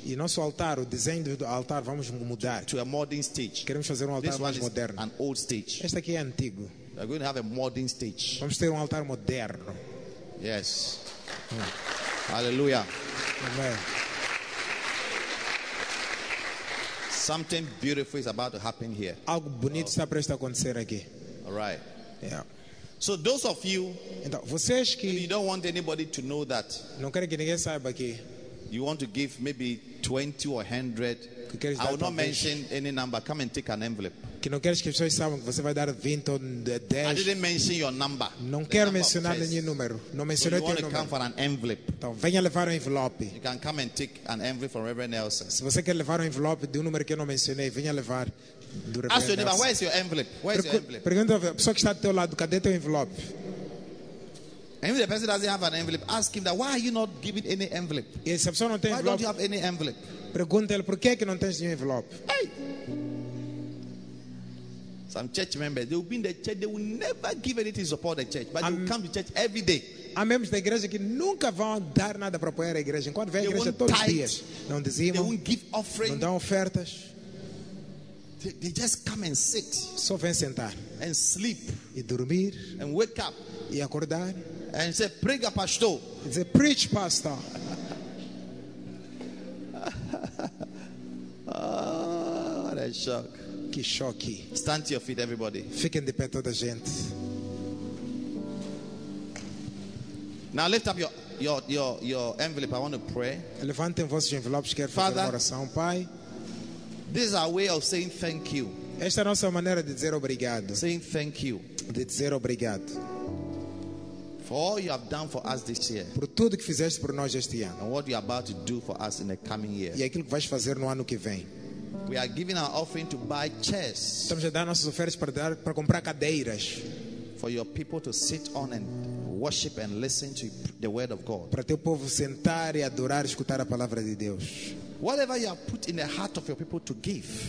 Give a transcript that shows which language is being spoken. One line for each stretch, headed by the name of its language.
Portuguese: E nosso altar, o desenho do altar vamos mudar.
English: To a modern stage.
Portuguese: Queremos fazer um altar
English: this
Portuguese: mais moderno.
English: An old stage.
Portuguese: Este aqui é antigo.
English: We are going to have a modern stage.
Portuguese: Vamos ter um altar moderno.
English: Yes. Hallelujah.
Portuguese: Amen.
English: Something beautiful is about to happen here.
Portuguese: Algo bonito está prestes a acontecer aqui.
English: All right. Yeah. So those of you,
Portuguese: então, vocês que
English: you don't want anybody to know that,
Portuguese: não querem que ninguém saiba que
English: you want to give maybe 20 or 100,
Portuguese: que
English: I will not mention any number. Come and take an envelope.
Portuguese: Que não queres que pessoas saibam que você vai dar 20 ou 10.
English: I didn't mention your number.
Portuguese: Não quero mencionar nenhum número. Não mencionei
English: so
Portuguese: teu número.
English: You want to come for an envelope.
Portuguese: Então venha levar um envelope.
English: You can come and take an envelope from Reverend Nelson.
Portuguese: Se você quer levar um envelope de um número que eu não mencionei, venha levar do Reverend
English: Nelson. Ask where is your envelope? Where is your envelope?
Portuguese: Pergunta à pessoa que está do teu lado, cadê teu envelope?
English: And if the person doesn't have an envelope, ask him that, why are you not giving any envelope? Yes, if someone why don't you have any envelope?
Portuguese: Pergunta-lhe, por que não tens nenhum envelope? Hey!
English: Some church members, they will be in the church, they will never give anything to support the church, but they will come to church every day.
Portuguese: Há membros da igreja que nunca vão dar nada para apoiar a igreja. Enquanto vem a igreja todos os dias, não dizimam,
English: they won't give offering.
Portuguese: Não dão ofertas.
English: They just come and sit.
Portuguese: Só vem sentar.
English: And sleep.
Portuguese: E dormir.
English: And wake up.
Portuguese: E acordar.
English: And say,
Portuguese: prega, pastor.
English: It's a preach, pastor. Oh, what a shock.
Portuguese: Que choque.
English: Stand to your feet, everybody.
Portuguese: Fiquem de pé toda a gente.
English: Now lift up your your envelope. I want to pray.
Portuguese: Levantem vossos envelopes, quero fazer uma oração, Pai.
English: This is our way of saying thank you.
Portuguese: Esta é a nossa maneira de dizer obrigado.
English: Saying thank you.
Portuguese: De dizer obrigado.
English: For all you have done for us this year.
Portuguese: Por tudo que fizeste por nós este ano.
English: And what you are about to do for us in the coming year.
Portuguese: E aquilo que vais fazer no ano que vem.
English: We are giving our offering to buy chairs.
Portuguese: Estamos a dar nossas ofertas para dar, para comprar cadeiras.
English: For your people to sit on and worship and listen to the word of God.
Portuguese: Para teu povo sentar e adorar e escutar a palavra de Deus.
English: Whatever you have put in the heart of your people to give.